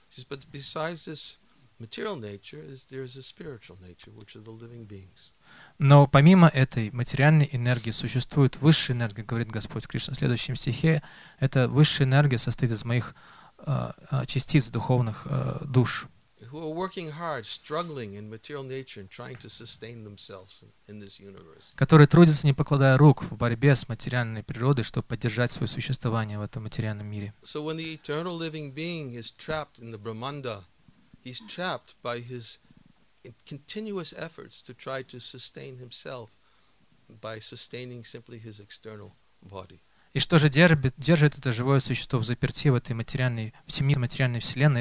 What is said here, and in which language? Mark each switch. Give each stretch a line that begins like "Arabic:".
English: But besides this material nature, there is a spiritual nature, which are the living beings.
Russian: Но помимо этой материальной энергии существует высшая энергия, говорит Господь Кришна в следующем стихе. Эта высшая энергия состоит из моих частиц духовных душ,
English: who are working hard, struggling in material nature and trying to sustain themselves in this universe.
Russian: Которые трудятся, не покладая рук, в борьбе с материальной природой, чтобы поддержать свое существование в этом материальном мире.
English: So when the eternal living being is trapped in the Brahmanda, he's trapped by his continuous efforts to try to sustain himself by sustaining simply his external body.
Russian: И что же держит это живое существо в заперти в этой материальной, в семи материальной вселенной?